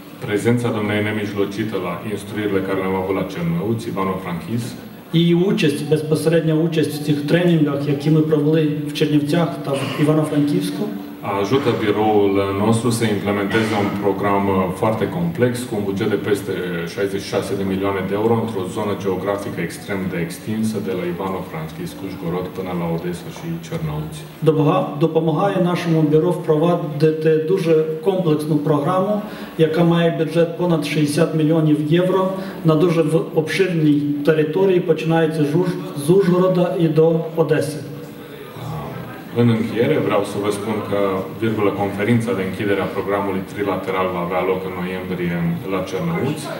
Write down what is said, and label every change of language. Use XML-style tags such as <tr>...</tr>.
<ro>Prezența domnei nemijlocită la instruirile care le-am avut la Cernăuți, Ivano-Franchisk.</ro> <uk>Її участь, безпосередня участь в цих тренінгах, які ми провели в Чернівцях та в Івано-Франківську.</uk> <ro>Ajută biroul nostru să implementeze un program foarte complex, cu un buget de peste 66 de milioane de euro, într-o zonă geografică extrem de extinsă, de la Ivano-Franchisk, Ujgorod, până la Odessa și Cernăuți.</ro> <uk>Допомагає нашому бюро впровадити дуже комплексну програму, яка має бюджет понад 60 мільйонів євро, на дуже обширній території, починається з Ужгорода і до Одеси.</uk> <ro>În încheiere, vreau să vă spun că, virgulă, conferința de închidere a programului trilateral va avea loc în noiembrie la Cernăuți.</ro>